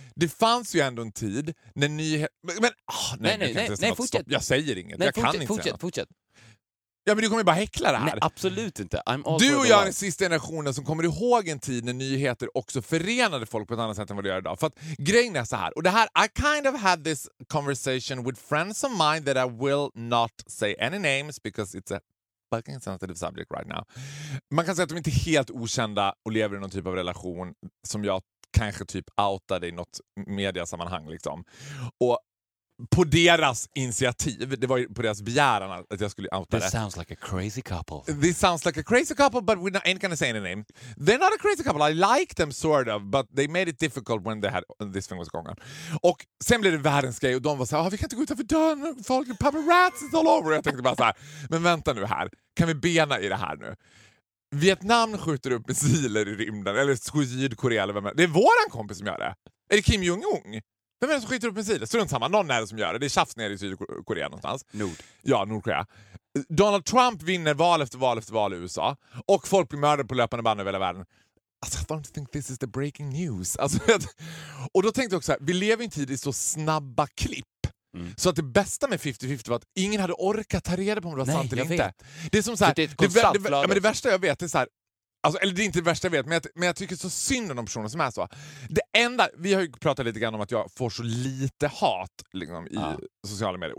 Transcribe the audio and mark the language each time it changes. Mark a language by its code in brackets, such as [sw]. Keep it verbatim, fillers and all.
[sv] Det fanns ju ändå en tid när nyhet... Men... Ah, nej, nej, nej. nej, nej fortsätt. Jag säger inget. Nej, jag fortsätt, kan inte fortsätt, säga fortsätt. Ja, men du kommer ju bara häckla det här. Nej, absolut inte. Du och jag är den sista generationen som kommer ihåg en tid när nyheter också förenade folk på ett annat sätt än vad det gör idag. För att grejen är så här. Och det här... [en] I kind of had this conversation with friends of mine that I will not say any names because it's a fucking sensitive subject right now. [sv] Man kan säga att de inte är helt okända och lever i någon typ av relation som jag kanske typ outade i något mediasammanhang liksom. Och på deras initiativ, det var ju på deras begäran att jag skulle outa det. [en] This sounds like a crazy couple. This sounds like a crazy couple, but we ain't gonna say any name. They're not a crazy couple, I like them sort of, but they made it difficult when they had this thing was going on. [sv] Och sen blev det världens grej och de var så här, ah, vi kan inte gå utanför dörren, folk, [en] paparazzi all over. [sv] Jag tänkte bara så här, men vänta nu här, kan vi bena i det här nu? Vietnam skjuter upp missiler i rymden, eller Sydkorea eller vem är det? Det är våran kompis som gör det. Är det Kim Jong-un? Vem är det som skjuter upp missiler? Strunt samma, någon är det som gör det. Det är tjafs nere i Sydkorea någonstans. Nord. Ja, Nordkorea. Donald Trump vinner val efter val efter val i U S A. Och folk blir mördade på löpande band över hela världen. Alltså, [en] I don't think this is the breaking news. [sv] Alltså, och då tänkte jag också här, vi lever i en tid i så snabba klipp. Mm. Så att det bästa med fifty fifty var att ingen hade orkat ta reda på om det var sant eller inte. Vet. Det är som så här, det, är ett det, det, det, ja, men det värsta jag vet är så här, alltså, eller det är inte det värsta jag vet, men jag, men jag tycker så synd om de personer som är så. Det enda, vi har ju pratat lite grann om att jag får så lite hat liksom, i ah. sociala medier.